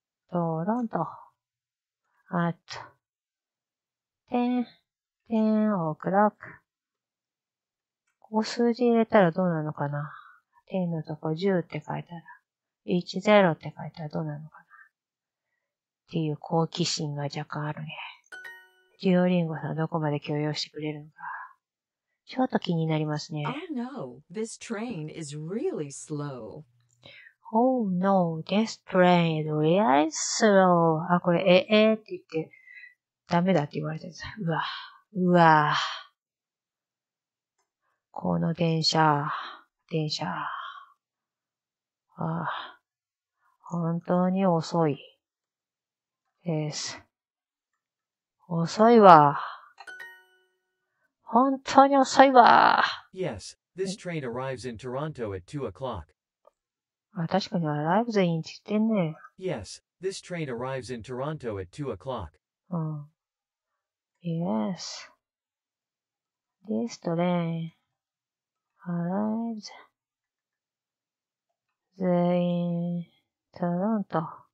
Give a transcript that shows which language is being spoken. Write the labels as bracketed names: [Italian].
[Japanese] トロント [English] at 10 o'clock [Japanese] ここ数字入れたらどうなのかな10のとこ10って書いたら10って書いたらどうなのかなっていう好奇心が若干あるねデュオリンゴさんどこまで許容してくれるのかちょっと気になりますね [English] Oh no, this train is really slow Oh no, this train is really slow. [Japanese] あ、これ、って言って、ダメだって言われてるんです。うわ。この電車。ああ、本当に遅い。です。遅いわ。本当に遅いわ。 [English] Yes, this train arrives in Toronto at 2 o'clock. [Japanese] あ、確かに、アライブズインって言ってんね。 [English] Yes, this train arrives in Toronto at 2 o'clock. Yes, this train arrives in Toronto.